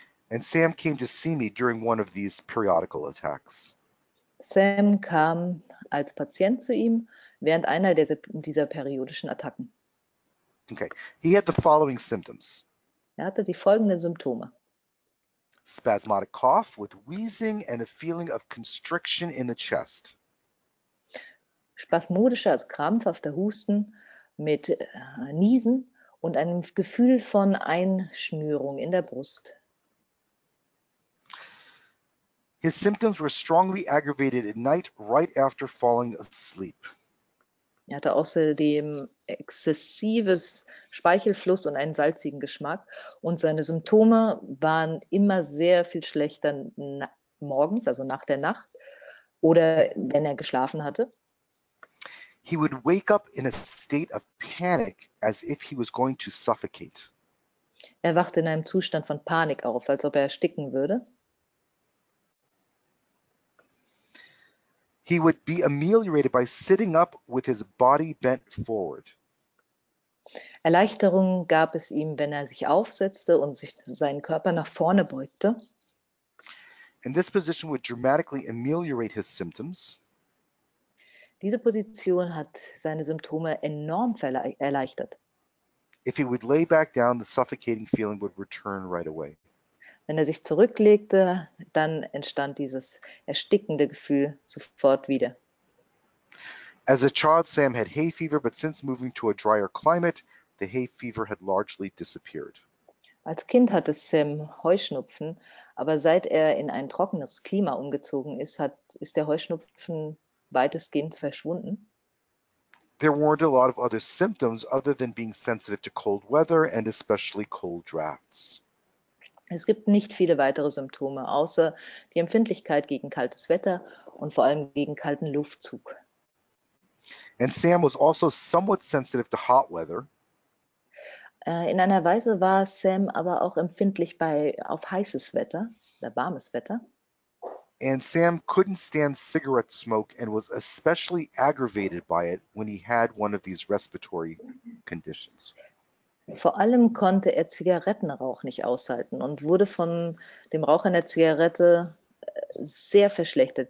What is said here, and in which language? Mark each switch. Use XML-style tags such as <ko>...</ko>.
<en>And Sam came to see me during one of these periodical attacks.</en> <de>Sam kam als Patient zu ihm während einer dieser periodischen Attacken.</de> <en>Okay, he had the following symptoms.</en> <de>Er hatte die folgenden Symptome.</de> <en>Spasmodic cough with wheezing and a feeling of constriction in the chest.</en> <de>Spasmodischer, also krampfhafter Husten mit Niesen und einem Gefühl von Einschnürung in der Brust.</de> <en>His symptoms were strongly aggravated at night right after falling asleep.</en> <de>Er hatte außerdem exzessives Speichelfluss und einen salzigen Geschmack. Und seine Symptome waren immer sehr viel schlechter morgens, also nach der Nacht, oder wenn er geschlafen hatte.</de> <en>He would wake up in a state of panic, as if he was going to suffocate.</en> <de>Er wachte in einem Zustand von Panik auf, als ob er ersticken würde.</de> <en>He would be ameliorated by sitting up with his body bent forward.</en> <de>Erleichterung gab es ihm, wenn er sich aufsetzte und sich seinen Körper nach vorne beugte.</de> <en>And this position would dramatically ameliorate his symptoms.</en> <de>Diese Position hat seine Symptome enorm erleichtert.</de> <en>If he would lay back down, the suffocating feeling would return right away.</en> <de>Wenn er sich zurücklegte, dann entstand dieses erstickende Gefühl sofort wieder.</de> <en>As a child, Sam had hay fever, but since moving to a drier climate, the hay fever had largely disappeared.</en> <de>Als Kind hatte Sam Heuschnupfen, aber seit er in ein trockeneres Klima umgezogen ist, ist der Heuschnupfen weitestgehend verschwunden.</de> <en>There weren't a lot of other symptoms other than being sensitive to cold weather and especially cold drafts.</en> <de>Es gibt nicht viele weitere Symptome, außer die Empfindlichkeit gegen kaltes Wetter und vor allem gegen kalten Luftzug.</de> <en>And Sam was also somewhat sensitive to hot weather.</en> <de>In einer Weise war Sam aber auch empfindlich auf heißes Wetter oder warmes Wetter.</de> <en>And Sam couldn't stand cigarette smoke and was especially aggravated by it when he had one of these respiratory conditions.</en> <de>Vor allem konnte er Zigarettenrauch nicht aushalten und wurde von dem Rauch einer Zigarette sehr verschlechtert.</de>